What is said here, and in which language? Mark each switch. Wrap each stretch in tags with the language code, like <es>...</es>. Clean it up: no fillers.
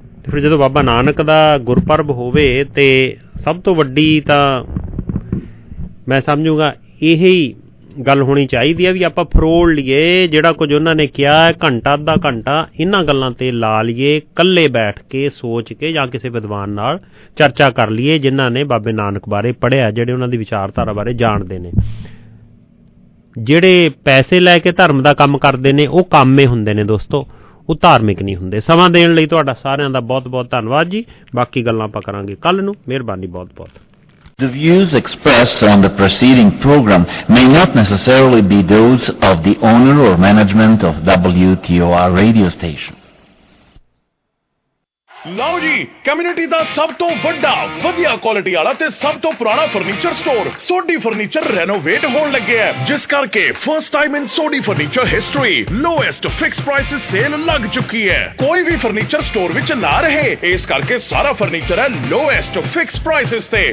<pa>ਫਿਰ ਜਦੋਂ ਬਾਬਾ ਨਾਨਕ ਦਾ ਗੁਰਪੁਰਬ ਹੋਵੇ ਤਾਂ ਸਭ ਤੋਂ ਵੱਡੀ ਤਾਂ ਮੈਂ ਸਮਝੂੰਗਾ ਇਹੀ ਗੱਲ ਹੋਣੀ ਚਾਹੀਦੀ ਹੈ ਵੀ ਆਪਾਂ ਫਰੋੜ ਲਈਏ ਜਿਹੜਾ ਕੁਝ ਉਹਨਾਂ ਨੇ ਕਿਹਾ, ਘੰਟਾ ਅੱਧਾ ਘੰਟਾ ਇਹਨਾਂ ਗੱਲਾਂ 'ਤੇ ਲਾ ਲਈਏ, ਇਕੱਲੇ ਬੈਠ ਕੇ ਸੋਚ ਕੇ ਜਾਂ ਕਿਸੇ ਵਿਦਵਾਨ ਨਾਲ ਚਰਚਾ ਕਰ ਲਈਏ ਜਿਨ੍ਹਾਂ ਨੇ ਬਾਬੇ ਨਾਨਕ ਬਾਰੇ ਪੜ੍ਹਿਆ, ਜਿਹੜੇ ਉਹਨਾਂ ਦੀ ਵਿਚਾਰਧਾਰਾ ਬਾਰੇ ਜਾਣਦੇ ਨੇ। ਜਿਹੜੇ ਪੈਸੇ ਲੈ ਕੇ ਧਰਮ ਦਾ ਕੰਮ ਕਰਦੇ ਨੇ ਉਹ ਕਾਮੇ ਹੁੰਦੇ ਨੇ ਦੋਸਤੋ, ਉਹ ਧਾਰਮਿਕ ਨਹੀਂ ਹੁੰਦੇ। ਸਮਾਂ ਦੇਣ ਲਈ ਤੁਹਾਡਾ ਸਾਰਿਆਂ ਦਾ ਬਹੁਤ ਬਹੁਤ ਧੰਨਵਾਦ ਜੀ, ਬਾਕੀ ਗੱਲਾਂ ਆਪਾਂ ਕਰਾਂਗੇ ਕੱਲ ਨੂੰ, ਮਿਹਰਬਾਨੀ ਬਹੁਤ ਬਹੁਤ।</pa> <en>The views expressed on the preceding program may not necessarily be those of the owner or management of WTOR radio station.</en> <pa>ਲਓ ਜੀ ਕਮਿਊਨਿਟੀ ਦਾ ਸਭ ਤੋਂ ਵੱਡਾ ਵਧੀਆ ਕੁਆਲਿਟੀ ਵਾਲਾ ਤੇ ਸਭ ਤੋਂ ਪੁਰਾਣਾ furniture store Sodhi furniture renovate ਹੋਣ ਲੱਗਿਆ, ਜਿਸ ਕਰਕੇ</pa> <en>first time in Sodhi furniture history lowest fix prices sale</en> <pa>ਲੱਗ ਚੁੱਕੀ ਹੈ। ਕੋਈ ਵੀ ਫਰਨੀਚਰ ਸਟੋਰ ਵਿੱਚ ਨਾ ਰਹੇ, ਇਸ ਕਰਕੇ ਸਾਰਾ ਫਰਨੀਚਰ ਹੈ</pa> <en>lowest fix prices</en> <pa>ਤੇ।</pa>